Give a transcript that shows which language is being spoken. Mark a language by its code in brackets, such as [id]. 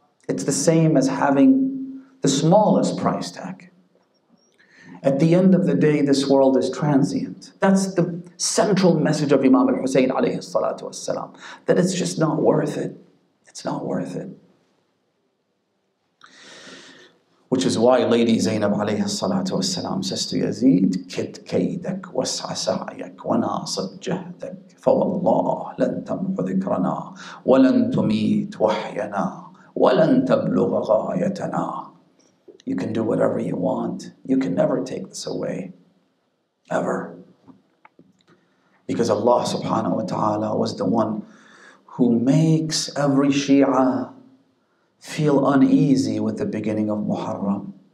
[en] It's the same as having the smallest price tag. At the end of the day, this world is transient. That's the central message of Imam al-Hussein alayhi salatu wassalam. That it's just not worth it. It's not worth it. Which is why Lady Zainab alayhi salatu wassalam says to Yazid, [ar] كِتْ كَيْدَكْ وَسْعَ سَعْيَكْ وَنَاصِبْ جَهْدَكْ فَوَاللَّهُ لَنْ تَمْحُ ذِكْرَنَا وَلَنْ تُمِيتْ وَحْيَنَا وَلَنْ تَبْلُغَ غَايَتَنَا. [en] You can do whatever you want. You can never take this away. Ever. Because Allah subhanahu wa ta'ala was the one who makes every Shia feel uneasy with the beginning of Muharram.